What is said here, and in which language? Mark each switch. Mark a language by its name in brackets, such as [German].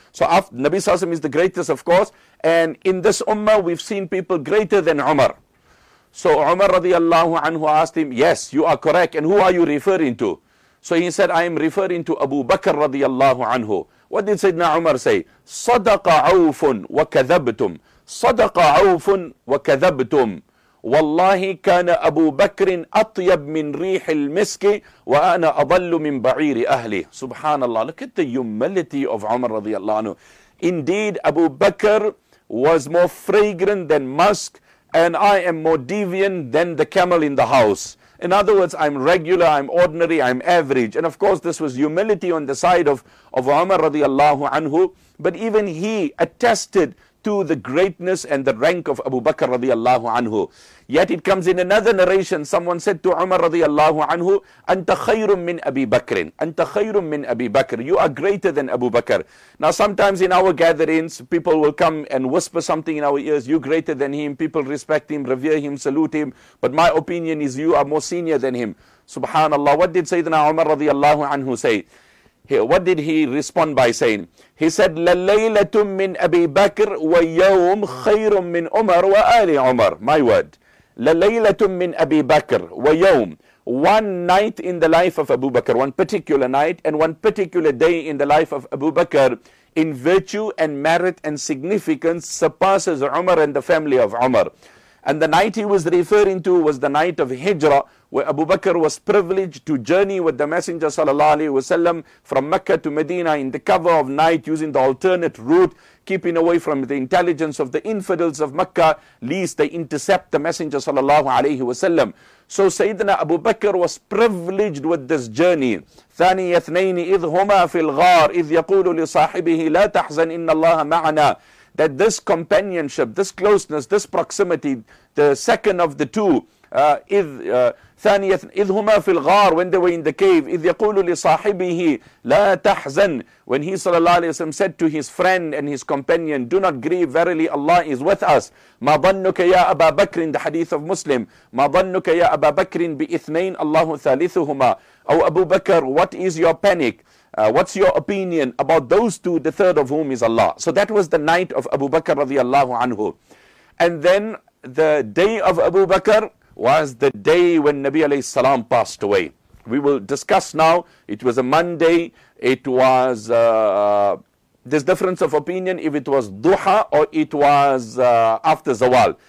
[English] So after Nabi sallallahu alayhi wa sallam is the greatest, of course. And in this ummah, we've seen people greater than Umar. So Umar radiallahu anhu asked him, yes, you are correct. And who are you referring to? So he said, I am referring to Abu Bakr radiallahu anhu. What did Sayyidina Umar say? [Arabic] Sadaqa awfun wa kadhabtum. صدق عوف وكذبتم والله كان أبو بكر أطيب من ريح المسك وأنا أضل من بعير أهلي. سبحان الله. [English] Look at the humility of Umar رضي الله عنه. Indeed, Abu Bakr was more fragrant than musk, and I am more deviant than the camel in the house. In other words, I'm regular, I'm ordinary, I'm average. And of course, this was humility on the side of Umar radiallahu anhu. But even he attested to the greatness and the rank of Abu Bakr radiallahu anhu. Yet it comes in another narration, someone said to Umar radiallahu anhu, [Arabic] Anta khayrun min Abi Bakrin, Anta khayrun min Abi Bakr, [English] you are greater than Abu Bakr. Now sometimes in our gatherings, people will come and whisper something in our ears, you're greater than him, people respect him, revere him, salute him, but my opinion is you are more senior than him. Subhanallah, what did Sayyidina Umar radiallahu anhu say? Here, what did he respond by saying? [Arabic] He said, لَلَّيْلَةٌ مِّنْ أَبِي بَكْرْ وَيَوْمْ خَيْرٌ مِّنْ عُمَرْ وَآلِ عُمَرْ. [English] My word. [Arabic] لَلَّيْلَةٌ مِّنْ أَبِي بَكْرْ وَيَوْمْ. [English] One night in the life of Abu Bakr, one particular night and one particular day in the life of Abu Bakr, in virtue and merit and significance, surpasses Umar and the family of Umar. And the night he was referring to was the night of Hijrah, where Abu Bakr was privileged to journey with the Messenger sallallahu alaihi wasallam from Mecca to Medina in the cover of night, using the alternate route, keeping away from the intelligence of the infidels of Mecca, lest they intercept the Messenger sallallahu alaihi wasallam. So Sayyidina Abu Bakr was privileged with this journey. [Arabic] ثاني اثنين إذ هما في الغار إذ يقول لصاحبه لا تحزن إن الله معنا. [English] That this companionship, this closeness, this proximity, the second of the two, [Arabic] إذ هما في الغار, [English] when they were in the cave, [Arabic] إذ يقول لصاحبه لا تحزن, [English] when he صلى الله عليه وسلم said to his friend and his companion, do not grieve, verily Allah is with us. [Arabic] ما ظنك يا أبا بكر, [English] in the hadith of Muslim, [Arabic] ما ظنك يا أبا بكر بإثنين الله ثالثهما, أو أبو بكر, [English] what is your panic? What's your opinion about those two, the third of whom is Allah? So that was the night of Abu Bakr radiallahu anhu. And then the day of Abu Bakr was the day when Nabi alayhi salam passed away. We will discuss now. It was a Monday. It was, there's difference of opinion if it was duha or it was after zawal.